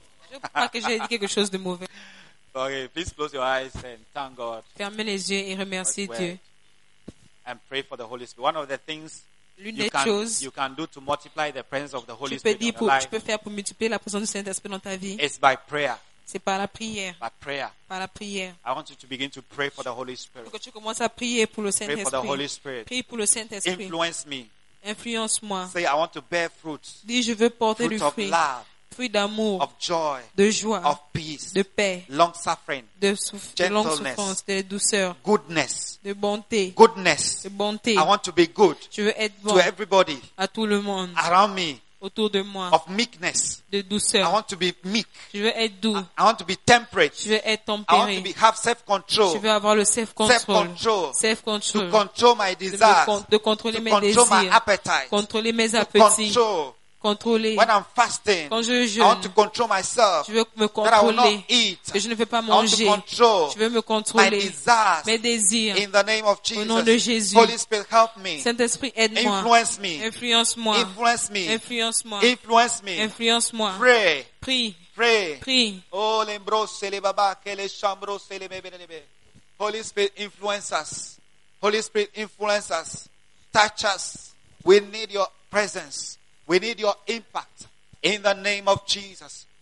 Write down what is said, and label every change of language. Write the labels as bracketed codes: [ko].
[fr] Je crois que j'ai dit quelque chose de mauvais. [en] Okay, please close your eyes and thank God. [fr] Fermez les yeux et remerciez Dieu. [en] And pray for the Holy Spirit. One of the things you can do to multiply the presence of the Holy Spirit in your life. [fr] Tu peux faire pour multiplier la présence du Saint-Esprit dans ta vie. [en] It's by prayer. [fr] C'est par la prière. [en] By prayer. [fr] Par la prière. [en] I want you to begin to pray for the Holy Spirit. [fr] Que tu commences à prier pour le Saint-Esprit. [en] Pray for the Holy Spirit. [fr] Prie pour le Saint-Esprit. [en] Influence me. [fr] Influence-moi. [en] Say I want to bear fruit. [fr] Dis je veux porter [en] fruit [fr] du fruit. [en] Of love. [fr] Fruit d'amour, [en] of joy, [fr] de joie, [en] of peace, [fr] de paix, [en] long suffering, [fr] de longue souffrance, de douceur, [en] goodness, [fr] de bonté, [en] goodness, [fr] de bonté. [en] I want to be good. [fr] Je veux être bon [en] to everybody, [fr] à tout le monde, [en] around me, [fr] autour de moi, [en] of meekness, [fr] de douceur. [en] I want to be meek. [fr] Je veux être doux. [en] I want to be temperate. [fr] Je veux être tempéré. [en] I want to have self control. [fr] Je veux avoir le [en] self control. To control my desires. [fr] De contrôler [en] to [fr] mes [en] control [fr] désirs. [en] My appetite. [fr] Contrôler mes [en] to [fr] appétits. [en] Control. [fr] Contrôler. [en] When I'm fasting, [fr] quand je jeûne, [en] I want to control myself, [fr] je veux me contrôler, [en] that I will not eat. [fr] Que je ne veux pas manger, [en] I want to control [fr] je veux me contrôler, [en] my desires, [fr] mes désirs, [en] in the name of Jesus. [fr] Au nom de Jésus, [en] Holy Spirit, help me. [fr] Saint-Esprit, aide-moi, [en] influence me, [fr] influence-moi, [en] influence me, [fr] influence-moi, [en] influence me, [fr] influence-moi, [en] pray, [fr] prie, [en] pray, [fr] prie. Oh, l'embrosse, le baba, que les chambres, le bébé, le bébé. [en] Holy Spirit, influence us. Holy Spirit, influence us. Touch us. We need your presence. We need your impact in the name of Jesus.